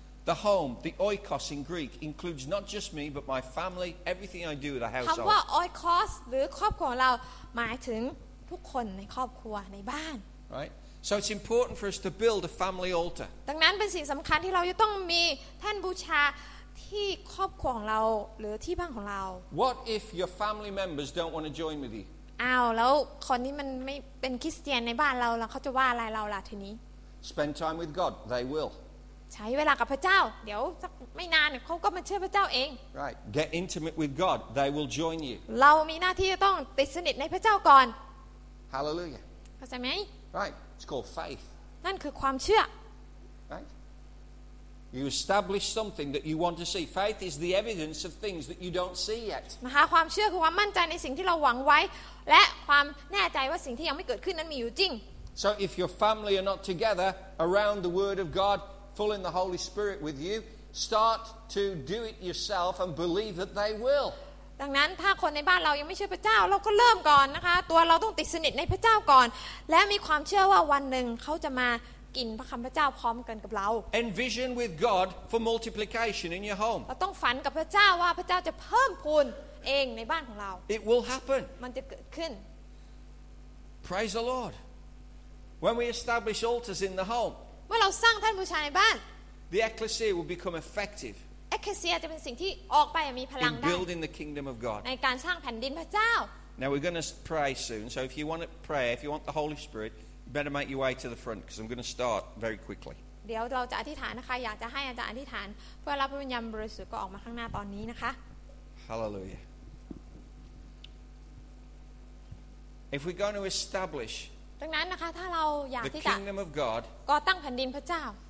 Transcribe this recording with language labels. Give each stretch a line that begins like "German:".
English: The home, the oikos in Greek, includes not just me but my family, everything I do with the household.
Thai: คำว่า oikos หรือครอบครัวเราหมายถึงทุกคนในครอบครัวในบ้าน
English: Right. So it's important for us to build a family altar.
Thai: ดังนั้นเป็นสิ่งสำคัญที่เราจะต้องมีแท่นบูชาที่ครอบครัวของเราหรือที่บ้านของเรา
English: What if your family members don't want to join with you?
Thai: อ้าวแล้วคนนี้มันไม่เป็นคริสเตียนในบ้านเราแล้วเขาจะว่าอะไรเราล่ะทีนี้
English: Spend time with God. They will.
Thai: ใช้เวลากับพระเจ้าเดี๋ยวสักไม่นานเขาก็มาเชื่อพระเจ้าเอง
English: Right. Get intimate with God. They will join you.
Thai: เรามีหน้าที่จะต้องติดสนิทในพระเจ้าก่อน
English: Hallelujah.
Thai: เข้าใจไหม
English: Right. It's called faith.
Thai: นั่นคือความเชื่อ
English: Right? You establish something that you want to see. Faith is the evidence of things that you don't see yet.
Thai: นะคะความเชื่อคือความมั่นใจในสิ่งที่เราหวังไว้และความแน่ใจว่าสิ่งที่ยังไม่เกิดขึ้นนั้นมีอยู่จริง
English: So if your family are not together around the Word of God, full in the Holy Spirit with you, start to do it yourself and believe that they will.
Thai: ดังนั้นถ้าคนในบ้านเรายังไม่เชื่อพระเจ้าเราก็เริ่มก่อนนะคะตัวเราต้องติดสนิทในพระเจ้าก่อนและมีความเชื่อว่าวันหนึ่งเขาจะมากินพระคำพระเจ้าพร้อมกันกับเรา
English: Envision with God for multiplication in your home
Thai: เราต้องฝันกับพระเจ้าว่าพระเจ้าจะเพิ่มพูนเองในบ้านของเรา
English: It will happen
Thai: มันจะเกิดขึ้น
English: Praise the Lord When we establish altars in the home
Thai: เมื่อเราสร้างแท่นบูชาในบ้าน
English: The ecclesia will become effective
Thai: เอ็กเคลเซียจะเป็นสิ่งที่ออกไปมีพลังได้
English: building the kingdom of God
Thai: ในการสร้างแผ่นดินพระเจ้า
English: Now we're going to pray soon so if you want to pray if you want the Holy Spirit you better make your way to the front because I'm going to start very quickly
Thai: เดี๋ยวเราจะอธิษฐานนะคะอยากจะให้อาจารย์อธิษฐานเพื่อรับพระวิญญาณบริสุทธิ์ก็ออกมาข้างหน้าตอนนี้นะคะ
English: ฮาเลลูยา If we're going to establish
Thai: ดังนั้นนะคะถ้าเราอยากที่จะก่อตั้งแผ่นดินพระเจ้า